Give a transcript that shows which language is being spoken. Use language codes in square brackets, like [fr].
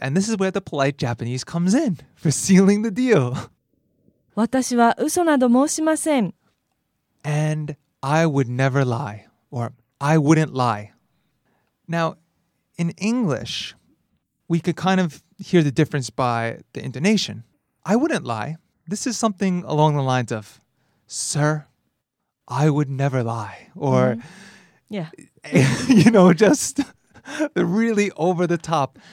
[en] And this is where the polite Japanese comes in. For sealing the deal. [ja] 私は嘘など申しません。 [en] And I would never lie. Or I wouldn't lie. Now, in English, we could kind of hear the difference by the intonation. I wouldn't lie. This is something along the lines of, Sir... I would never lie. Or, you know, just really over the top.